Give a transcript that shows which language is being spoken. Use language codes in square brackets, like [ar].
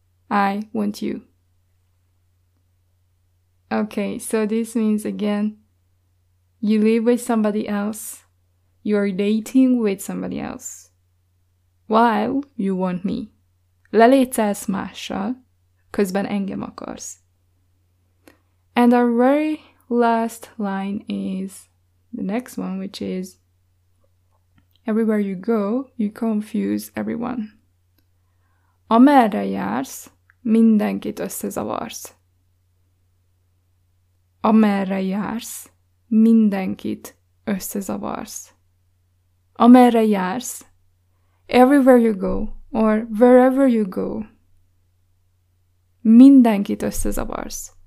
[en] I want you. Okay, so this means again, you live with somebody else, you're dating with somebody else, while you want me. [hu] Lelétezz mással, közben engem akarsz. [en] And our very last line is the next one, which is, everywhere you go, you confuse everyone. [hu] Amerre jársz, mindenkit összezavarsz. Amerre jársz, mindenkit összezavarsz. Amerre jársz, [en] everywhere you go, or wherever you go, [hu] mindenkit összezavarsz.